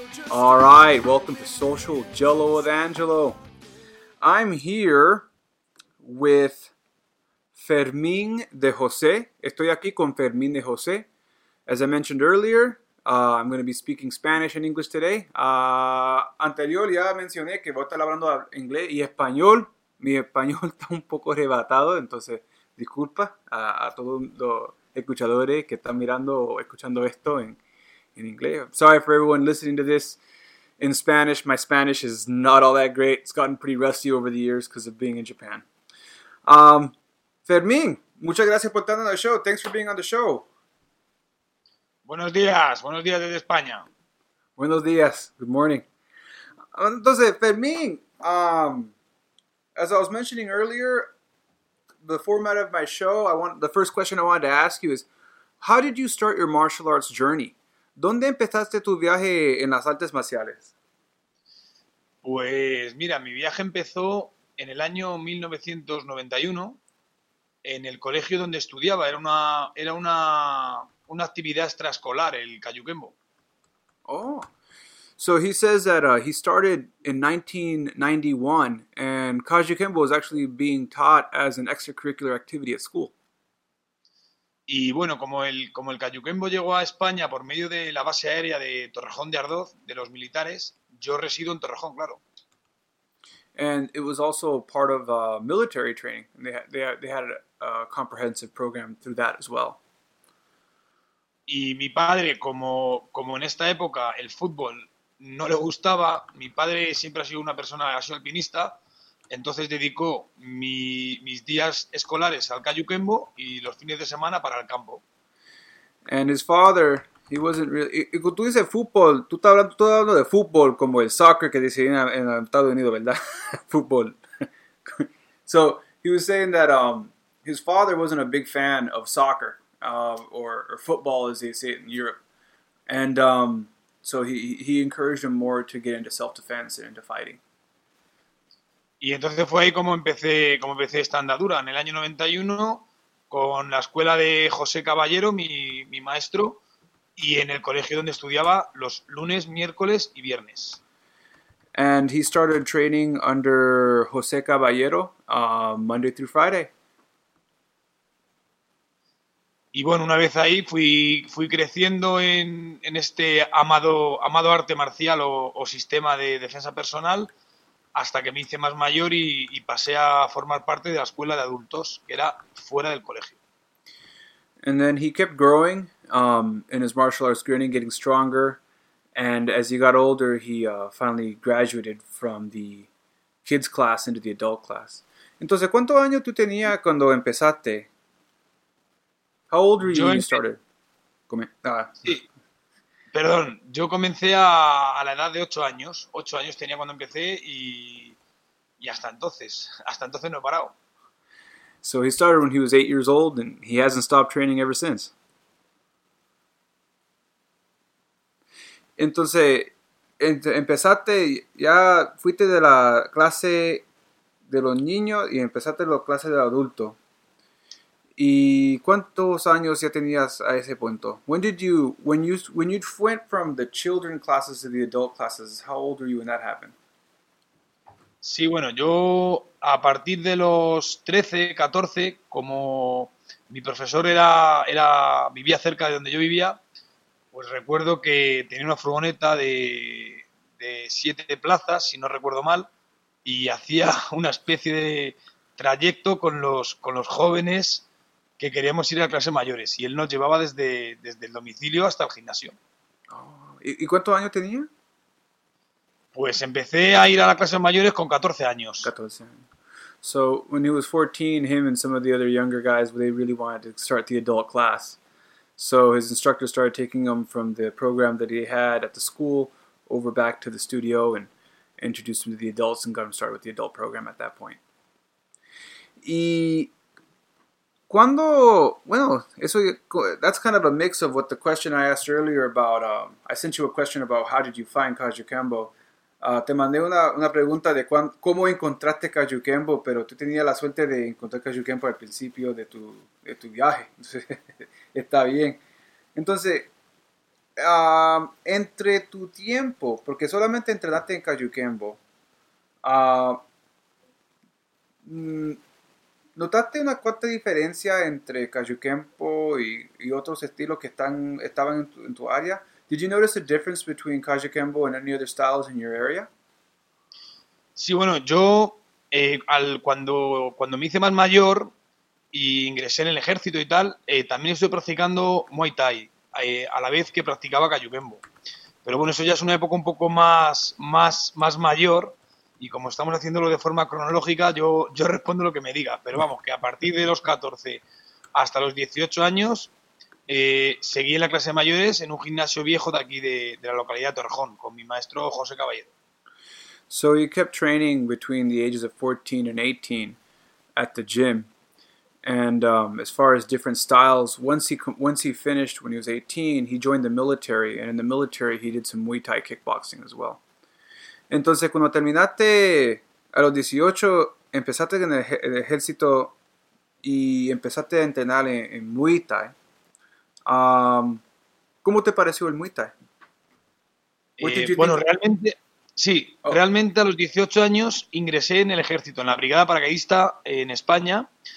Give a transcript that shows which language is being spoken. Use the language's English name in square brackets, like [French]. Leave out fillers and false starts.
[English] All right, welcome to Social Jello with Angelo. I'm here with Fermín de José. [Spanish] Estoy aquí con Fermín de José. [English] As I mentioned earlier, I'm going to be speaking Spanish and English today. [Spanish] Anterior ya mencioné que voy a estar hablando inglés y español. Mi español está un poco arrebatado, entonces disculpa a todos los escuchadores que están mirando o escuchando esto en inglés. [English] Sorry for everyone listening to this in Spanish. My Spanish is not all that great. It's gotten pretty rusty over the years because of being in Japan. [Spanish] Fermín, muchas gracias por estar en el show. [English] Thanks for being on the show. [Spanish] Buenos días desde España. Buenos días, [English] good morning. Entonces, Fermín, as I was mentioning earlier, the format of my show, the first question I wanted to ask you is, how did you start your martial arts journey? [Spanish] ¿Dónde empezaste tu viaje en las artes marciales? Pues mira, mi viaje empezó en el año 1991, en el colegio donde estudiaba. Era una actividad extraescolar, el Kajukenbo. [English] Oh, so he says that he started in 1991 and Kajukenbo was actually being taught as an extracurricular activity at school. [Spanish] Y bueno, como el Kajukenbo llegó a España por medio de la base aérea de Torrejón de Ardoz, de los militares, yo resido en Torrejón, claro. [English] And it was also part of military training. They had a comprehensive program through that as well. [Spanish] Y mi padre, como en esta época el fútbol no le gustaba, mi padre siempre ha sido una persona, ha sido alpinista, entonces dedicó mis días escolares al Kajukenbo y los fines de semana para el campo. [English] And his father, he wasn't really... [Spanish] Y cuando tú dices fútbol, tú estás hablando de fútbol como el soccer que dice en Estados Unidos, ¿verdad? [English] Fútbol. So, he was saying that his father wasn't a big fan of soccer. Or football, as they say it in Europe. And so he encouraged him more to get into self-defense and into fighting. [Spanish] Y entonces fue ahí como empecé esta andadura, en el año 91, con la escuela de José Caballero, mi maestro, y en el colegio donde estudiaba los lunes, miércoles y viernes. [English] And he started training under José Caballero, Monday through Friday. [Spanish] Y bueno, una vez ahí fui creciendo en este amado arte marcial o sistema de defensa personal hasta que me hice más mayor y pasé a formar parte de la escuela de adultos, que era fuera del colegio. [English] And then he kept growing in his martial arts training, getting stronger. And as he got older, he finally graduated from the kids class into the adult class. [Spanish] Entonces, ¿cuántos años tú tenías cuando empezaste? [English] How old were you when you started? [Spanish] Perdón, yo comencé a la edad de 8 años. 8 años tenía cuando empecé y hasta entonces no he parado. [English] So he started when he was 8 years old and he hasn't stopped training ever since. [Spanish] Entonces, empezaste, ya fuiste de la clase de los niños y empezaste la clase de adulto. ¿Y cuántos años ya tenías a ese punto? [English] When you went from the children classes to the adult classes, how old were you when that happened? [Spanish] Sí, bueno, yo a partir de los 13, 14, como mi profesor vivía cerca de donde yo vivía, pues recuerdo que tenía una furgoneta de 7 plazas, si no recuerdo mal, y hacía una especie de trayecto con los jóvenes que queríamos ir a clases mayores, y él nos llevaba desde el domicilio hasta el gimnasio. ¿Y cuántos años tenía? Pues empecé a ir a las clases mayores con 14 años. 14 años. [English] So when he was 14, him and some of the other younger guys, they really wanted to start the adult class. So his instructor started taking him from the program that he had at the school over back to the studio and introduced him to the adults and got him started with the adult program at that point. That's kind of a mix of what the question I asked earlier about. I sent you a question about how did you find Kaju Kembo. [Spanish] Te mandé una pregunta de cómo encontraste Kaju Kembo, pero tú tenías la suerte de encontrar Kaju Kembo al principio de tu viaje. Entonces, está bien. Entonces, entre tu tiempo, porque solamente entrenaste en Kaju Kembo, ¿notaste una cuarta diferencia entre Kaju Kempo y otros estilos que estaban en tu área? [English] Did you notice a difference between Kaju Kempo and any other styles in your area? [Spanish] Sí, bueno, yo cuando me hice más mayor y ingresé en el ejército y tal, también estuve practicando Muay Thai, a la vez que practicaba Kayu Kembo. Pero bueno, eso ya es una época un poco más mayor y como estamos haciéndolo de forma cronológica, yo respondo lo que me digas. Pero vamos, que a partir de los 14 hasta los 18 años, seguí en la clase de mayores en un gimnasio viejo de aquí de la localidad de Torrejón, con mi maestro José Caballero. [English] So you kept training between the ages of 14 and 18 at the gym. And as far as different styles, once he finished when he was 18, he joined the military, and in the military he did some Muay Thai kickboxing as well. [Spanish] Entonces, cuando terminaste a los 18, empezaste en el ejército y empezaste a entrenar en Muay Thai. ¿Cómo te pareció el Muay Thai? [English] What did you [Spanish] Bueno, [English] think? [Spanish] realmente, sí, realmente a los 18 años ingresé en el ejército, en la Brigada Paracaidista en España.